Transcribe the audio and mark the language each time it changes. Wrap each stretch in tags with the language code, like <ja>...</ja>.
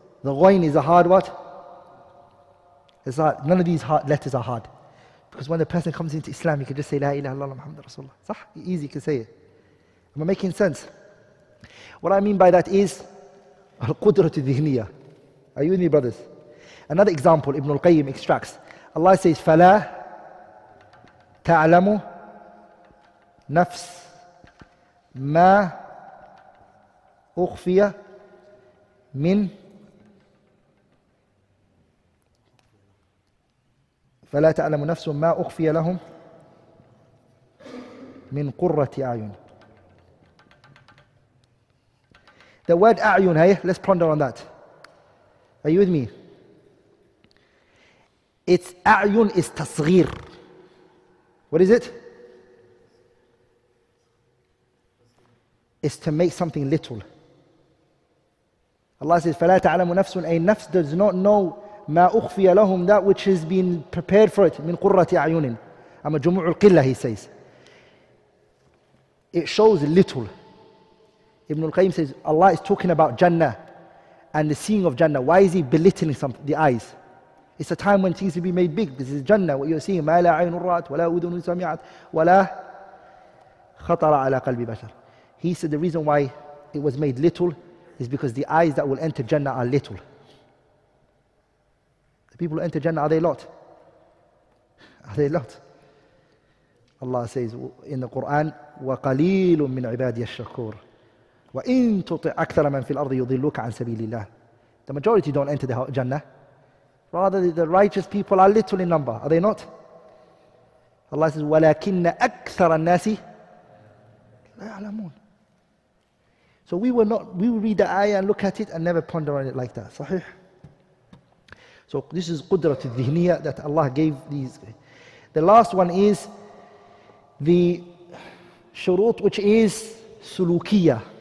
<en>The ghoin is a hard what? It's hard. None of these hard letters are hard. Because when the person comes into Islam, you can just say,</en> <ar>La ilaha illallah Muhammad Rasulullah.</ar> <en>Sah? Easy, you can say it. Am I making sense? What I mean by that is,</en> <ar>al-qudratu dhihniya.</ar> <en>Are you with me, brothers? Another example, Ibn al-Qayyim extracts.</en> <ar>Allah says, فَلَا تَعْلَمُ نَفْسْ مَا أُخْفِيَ مِنْ فَلَا تَعْلَمُ نَفْسْ مَا أُخْفِيَ لَهُمْ مِنْ قُرَّةِ أَعْيُنْ.</ar> <en>The word أَعْيُنْ, hey, let's ponder on that. Are you with me? It's a'yun is tasghir. What is it? It's to make something little. Allah says,</en> <ar>فَلَا تَعْلَمُ نَفْسٌ.</ar> <en>A nafs does not know</en> <ar>ما أخفي لهم,</ar> <en>that which has been prepared for it,</en> <ar>من قرة أعين. أما جموع القلة,</ar> <en>he says, it shows little. Ibn al-Qayyim says, Allah is talking about Jannah and the seeing of Jannah. Why is he belittling some, the eyes? It's a time when things will be made big. This is Jannah, what you're seeing.</en> <ar>مَا لَا عَيْنُ رَأَتْ وَلَا أُذُنُ سَمِعَتْ وَلَا خَطَرَ عَلَى قَلْبِ بَشَرٍ.</ar> <en>He said the reason why it was made little is because the eyes that will enter Jannah are little. The people who enter Jannah, are they a lot? Are they a lot?</en> <ar>Allah says in the Quran, وَقَلِيلٌ مِّنْ عِبَادِيَ الشَّكُورِ وَإِنْ تُطِعْ أَكْثَرَ مَنْ فِي الْأَرْضِ يُضِلُّكَ عَنْ سَبِيلِ اللَّهِ.</ar> <en>The majority don't enter the Jannah. Rather, the righteous people are little in number. Are they not?</en> <ar>Allah says, وَلَكِنَّ أَكْثَرَ النَّاسِ لَا يَعْلَمُونَ.</ar> <en>So we will not, we will read the ayah and look at it and never ponder on it like that. Sahih. So this is Qudrat al-Dhihniya that Allah gave these. The last one is the shurut, which is sulukiya.</en>